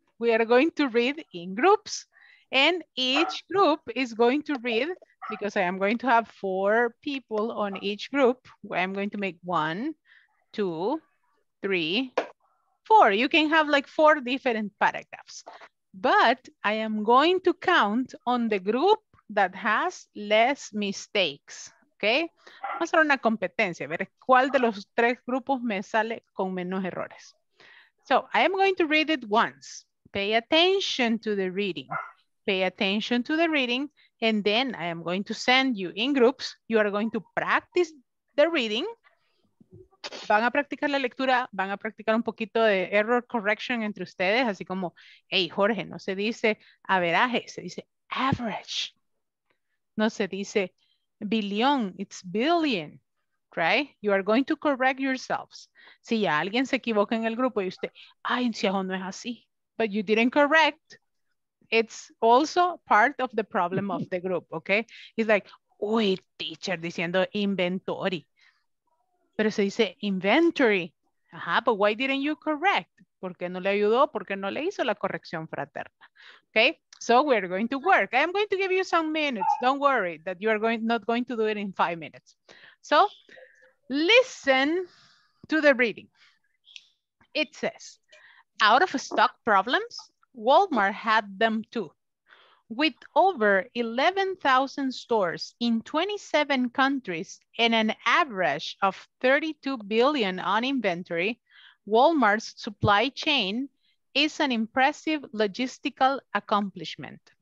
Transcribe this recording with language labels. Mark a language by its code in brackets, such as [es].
[en] We are going to read in groups, and each group is going to read, because I am going to have four people on each group. I'm going to make 1, 2, 3, 4. You can have like four different paragraphs, but I am going to count on the group that has less mistakes. Okay? [es] Vamos a hacer una competencia, a ver cuál de los tres grupos me sale con menos errores. [en] So I am going to read it once. Pay attention to the reading. Pay attention to the reading. And then I am going to send you in groups. You are going to practice the reading. [es] Van a practicar la lectura. Van a practicar un poquito de error correction entre ustedes. Así como, hey, Jorge, no se dice average. Se dice average. No se dice billion. [en] It's billion. Right? You are going to correct yourselves. [es] Si ya alguien se equivoca en el grupo y usted, ay, en Ciajo no es así, [en] but you didn't correct, it's also part of the problem of the group, [es] okay? [en] It's like, uy, teacher, [es] diciendo [en] inventory. [es] Pero se dice inventory. Ajá, [en] but why didn't you correct? [es] ¿Por qué no le ayudó? ¿Por qué no le hizo la corrección fraterna? [en] Okay, so we're going to work. I'm going to give you some minutes. Don't worry that you are going not going to do it in 5 minutes. So listen to the reading. It says, out of stock problems, Walmart had them too. With over 11,000 stores in 27 countries and an average of 32 billion on inventory, Walmart's supply chain is an impressive logistical accomplishment.